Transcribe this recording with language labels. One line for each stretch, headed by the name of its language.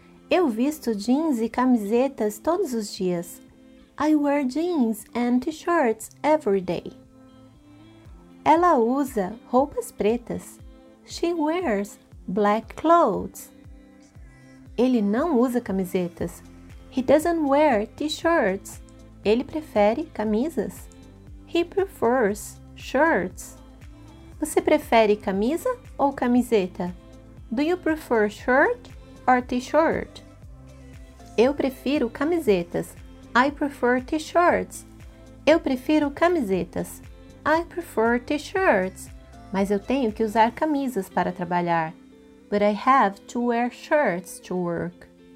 Portuguese: Eu visto jeans e camisetas todos os dias.
English: I wear jeans and t-shirts every day.
Portuguese: Ela usa roupas pretas.
English: She wears black clothes.
Portuguese: Ele não usa camisetas.
English: He doesn't wear t-shirts.
Portuguese: Ele prefere camisas.
English: He prefers shirts.
Portuguese: Você prefere camisa ou camiseta?
English: Do you prefer shirt or t-shirt?
Portuguese: Eu prefiro camisetas.
English: I prefer t-shirts.
Portuguese: Eu prefiro camisetas.
English: I prefer t-shirts.
Portuguese: Mas eu tenho que usar camisas para trabalhar.
English: But I have to wear shirts to work.